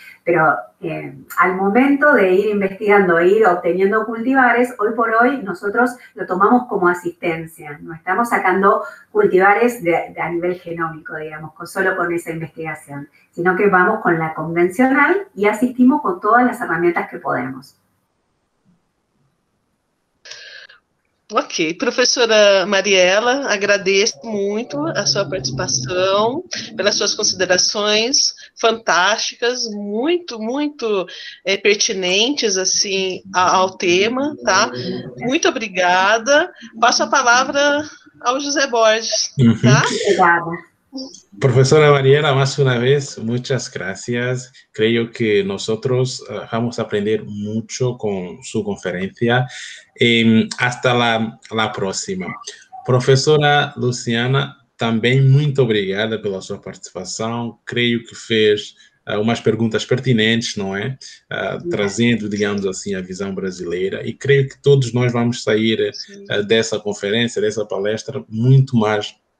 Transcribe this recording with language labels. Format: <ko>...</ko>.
<es>Pero al momento de ir investigando e ir obteniendo cultivares, hoy por hoy nosotros lo tomamos como asistencia. No estamos sacando cultivares a nivel genómico, digamos, solo con esa investigación, sino que vamos con la convencional y asistimos con todas las herramientas que podemos.</es> <pt>Ok, professora Mariela, agradeço muito a sua participação, pelas suas considerações fantásticas, muito, muito pertinentes assim ao tema, tá? Muito obrigada. Passo a palavra ao José Borges, tá?</pt> <es>Profesora Mariela, más una vez, muchas gracias. Creo que nosotros vamos a aprender mucho con su conferencia. Hasta la próxima.</es> <pt>Profesora Luciana,</pt> <es>también muy</es> <pt>obrigada pela sua participação.</pt> <es>Creo que</es> <pt>fez umas perguntas pertinentes, não é? Trazendo, digamos assim, a visão brasileira. E creio que todos nós vamos sair dessa conferência, dessa palestra, muito mais.</pt>